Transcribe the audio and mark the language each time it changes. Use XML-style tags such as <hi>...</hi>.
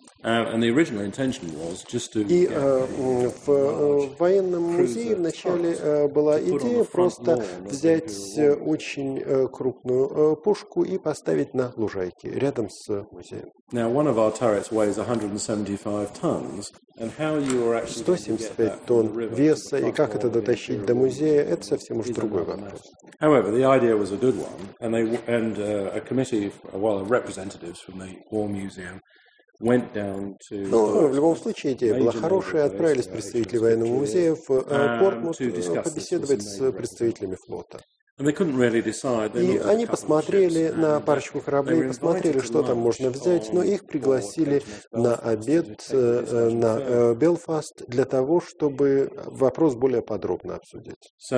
<ru>И в военном музее вначале была идея просто взять очень крупную пушку и поставить на лужайке рядом с музеем.</ru> <en>Now one of our turrets weighs 175 tons. And how you are actually</en> <ru>175 тонн веса, и как это дотащить до музея, это совсем уж другой вопрос.</ru> <en>However, the idea was a good one, and a committee, well, of representatives from the War Museum.</en> <ru>Но в любом случае идея была хорошая, отправились представители военного музея в Портмут побеседовать с представителями флота. И они посмотрели на парочку кораблей, посмотрели, что там можно взять, но их пригласили на обед на Белфаст для того, чтобы вопрос более подробно обсудить.</ru>